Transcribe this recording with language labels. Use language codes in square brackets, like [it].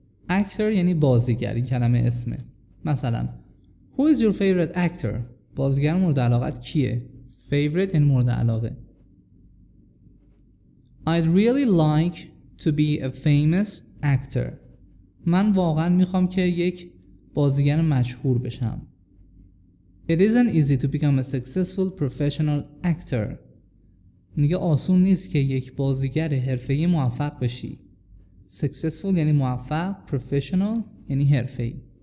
[fa] Actor یعنی بازیگر، این کلمه اسمه. [en] مثلا Who is your favorite actor? [fa] بازیگر مورد علاقت کیه؟ Favorite یعنی مورد علاقه. [en] I'd really like to be a famous actor. [fa] من واقعا میخوام که یک بازیگر مشهور بشم. [en] It isn't easy to become a successful professional actor. [fa] میگه آسون نیست که یک بازیگر حرفه‌ای موفق بشی. Successful یعنی موفق. Professional یعنی حرفه‌ای.